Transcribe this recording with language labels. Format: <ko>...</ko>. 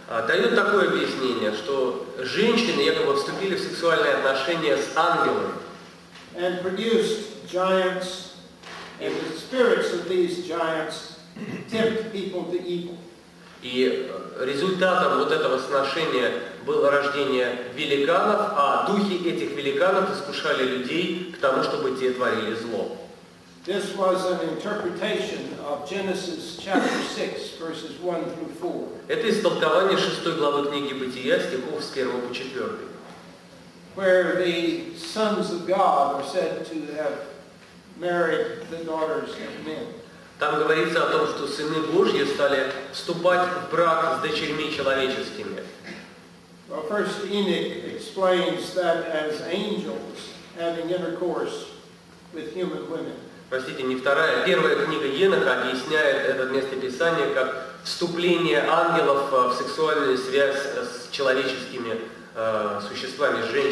<ru>Дает такое объяснение, что женщины якобы вступили в сексуальные отношения с ангелами.</ru> <en>And produced giants, and the spirits of these giants tempt people to evil.</en> <ru>И результатом вот этого сношения было рождение великанов, а духи этих великанов искушали людей к тому, чтобы те творили зло.</ru> <en>This was an interpretation of Genesis chapter 6, verses 1 through 4.</en> <ru>Это истолкование 6 главы книги Бытия, стихов с 1 по 4.</ru> <en>Where the sons of God are said to have married the daughters of men.</en> <ru>Там говорится о том, что сыны Божьи стали вступать в брак с дочерьми человеческими.</ru> <en>Well, First Enoch explains that as angels having intercourse with human women.</en> <ru>Простите, не вторая. Первая книга Еноха объясняет это местописание как вступление ангелов в сексуальную связь с человеческими существами, с</ru>